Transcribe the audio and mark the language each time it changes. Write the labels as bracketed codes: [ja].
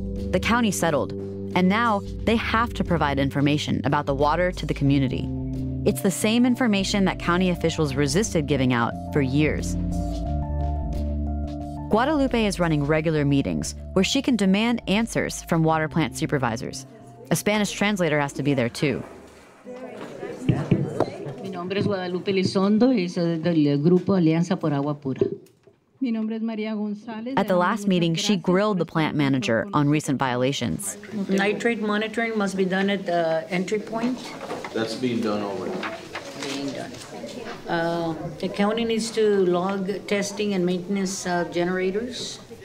[en] The county settled, and now they have to provide information about the water to the community. It's the same information that county officials resisted giving out for years. Guadalupe is running regular meetings where she can demand answers from water plant supervisors. A Spanish translator has to be there too. [es] Mi nombre es Guadalupe Lizondo, y soy del grupo Alianza por Agua Pura. Mi nombre es María González. [en] At the last meeting, she grilled the plant manager on recent violations. Nitrate monitoring must be done at the entry point. That's being done already. Being done. The county needs to log testing and maintenance generators.